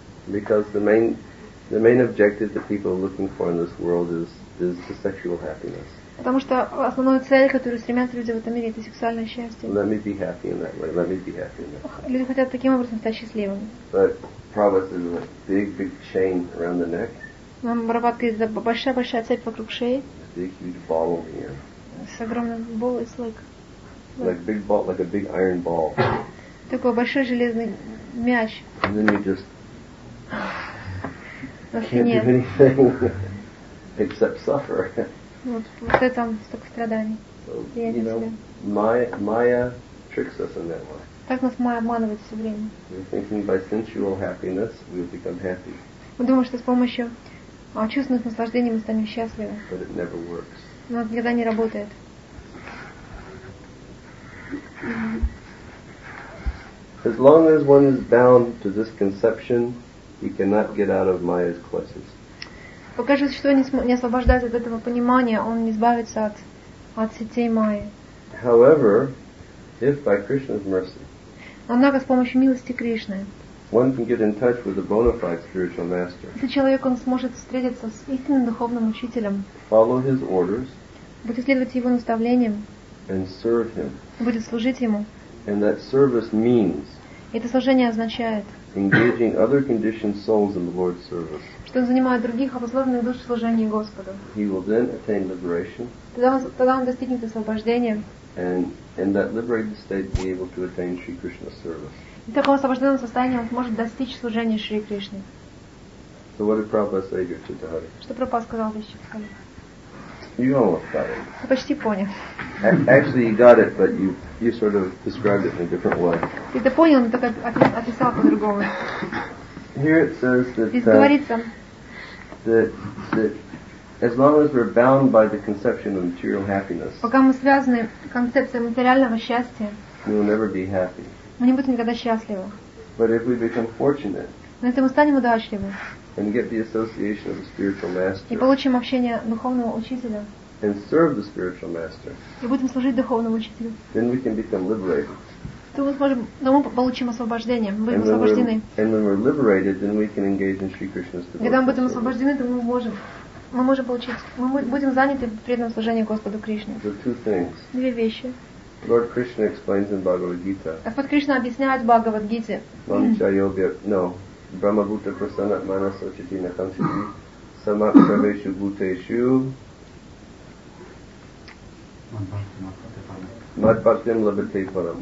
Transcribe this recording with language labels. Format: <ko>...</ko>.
<en>Because the main objective that people are looking for in this world is the sexual happiness.</en> <ru>Потому что основная цель, которую стремятся люди в этом мире, это сексуальное счастье.</ru> <en>Let me be happy in that way. Let me be happy in that way.</en> <ru>Люди хотят таким образом стать счастливыми.</ru> <en>But Prabhupada is a big chain around the neck.</en> <ru>Но Прабхупада это большая цепь вокруг шеи.</ru> <en>Big huge ball over here.</en> <ru>С огромным</ru> <en>ball is like. Like big ball, like a big iron ball.</en> <ru>Такой большой железный мяч.</ru> <en>And then you just can't do anything except suffer.</en> <ru>Вот ты там столько страданий.</ru> <en>Maya tricks us in that way.</en> <ru>Так нас Майя обманывает все время.</ru> <en>We're thinking by sensual happiness we'll become happy.</en> <ru>Мы думаем, что с помощью чувственных наслаждений мы станем счастливы.</ru> <en>But it never works.</en> <ru>Но никогда не работает.</ru> <en>As long as one is bound to this conception, he cannot get out of Maya's clutches.</en> <ru>Пока же существо не освобождается от этого понимания, он не избавится от сетей Майи.</ru> <en>However, if by Krishna's mercy,</en> <ru>однако с помощью милости Кришны,</ru> <en>one can get in touch with a bona fide spiritual master.</en> <ru>Если человек он сможет встретиться с истинным духовным учителем,</ru> <en>follow his orders,</en> <ru>будет следовать его наставлениям.</ru> <en>And serve him.</en> <ru>Будет служить ему.</ru> <en>And that service means.</en> <ru>Это служение означает.</ru> <en>Engaging other conditioned souls in the Lord's service.</en> <ru>Что он занимает других обусловленных душ в служении Господу.</ru> <en>He will then attain liberation.</en> <ru>Тогда он достигнет освобождения.</ru> <en>And in that liberated state, be able to attain Sri Krishna's service.</en> <ru>И в таком освобожденном состоянии он сможет достичь служения Шри Кришне.</ru> <en>So what did Prabhupada say here to Tahari?</en> <ru>Что Прабхупада сказал Вишакхали?</ru> <en>You almost got it.</en> <ru>Я почти понял.</ru> <en>Actually, you got it, but you sort of described it in a different way.</en> <ru>Ты это понял, но только описал по-другому.</ru> <en>Here it says that.</en> <ru>Здесь говорится.</ru> <en>That as long as we're bound by the conception of material happiness.</en> <ru>Пока мы связаны концепцией материального счастья.</ru> <en>We will never be happy.</en> <ru>Мы не будем никогда счастливы.</ru> <en>But if we become fortunate,</en> <ru>но если мы станем удачливы,</ru> <en>and get the association of the spiritual master,</en> <ru>и получим общение духовного учителя,</ru> <en>and serve the spiritual master,</en> <ru>и будем служить духовному учителю,</ru> <en>then we can become liberated.</en> <ru>То мы сможем, но мы получим освобождение, мы будем освобождены.</ru> <en>And when we're liberated, then we can engage in Sri Krishna's devotion.</en> <ru>Когда мы будем освобождены, то мы можем. Мы можем получить. Мы будем заняты в преданном служении Господу Кришне.</ru> <en>The two things.</en> <ru>Две вещи.</ru> <en>Lord Krishna explains in Bhagavad Gita.</en> <ru>Господь Кришна объясняет в Бхагавад Гите.</ru> <sa>Брахмабута прасанна манаса чити нахамсити самаксавешу бутешу Мадбхактим лабхате парам.</sa>